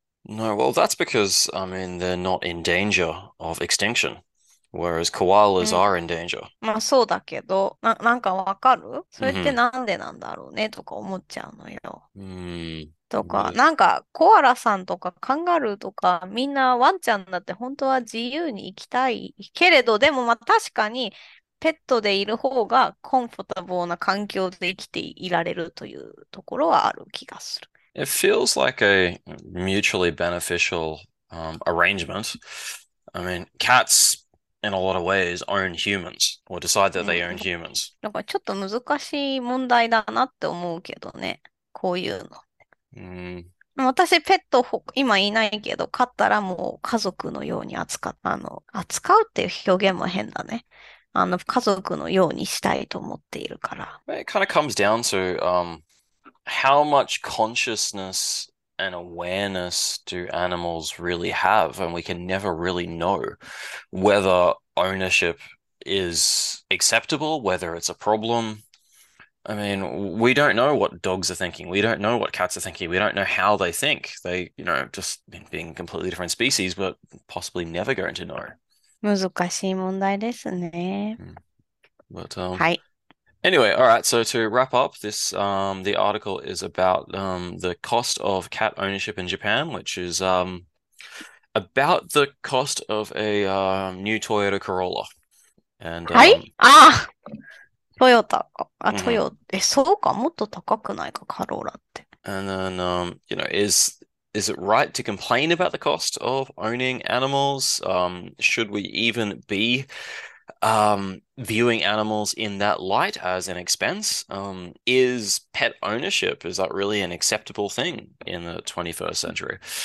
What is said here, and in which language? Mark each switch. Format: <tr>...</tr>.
<en>No, well, that's because, they're not in danger of extinction, whereas koalas are in danger.</en> <ja>まあ、そうだけど、なんかわかる？それってなんでなんだろうねとか思っちゃうのよ。とか、なんか、コアラさんとかカンガルーとか、みんなワンちゃんだって本当は自由に生きたいけれど、でもまあ確かにペットでいる方がコンフォタブルな環境で生きていられるというところはある気がする。</ja> <en>It feels like a mutually beneficial arrangement. I mean, cats, in a lot of ways, own humans or decide that they own humans.</en> <ja>なんかちょっと難しい問題だなって思うけどね。こういうの。私、ペット、今いないけど、飼ったらもう家族のように扱う。扱うっていう表現も変だね。家族のようにしたいと思っているから。</ja> <en>It kind of comes down to how much consciousness and awareness do animals really have? And we can never really know whether ownership is acceptable, whether it's a problem. I mean, we don't know what dogs are thinking. We don't know what cats are thinking. We don't know how they think. They, just being a completely different species, but possibly never going to know.</en> <ja>難しい問題ですね。</ja> <en>But,</en> <ja>はい。</ja> <en>anyway, all right, so to wrap up this, the article is about the cost of cat ownership in Japan, which is about the cost of a new Toyota Corolla. And</en> <ja>はい？ああ、トヨタか。あ、トヨ、え、そうか。もっと高くないか、カローラって。</ja> <en>and then is it right to complain about the cost of owning animals? Should we even be viewing animals in that light as an expense? Is pet ownership, is that really an acceptable thing in the 21st century?</en>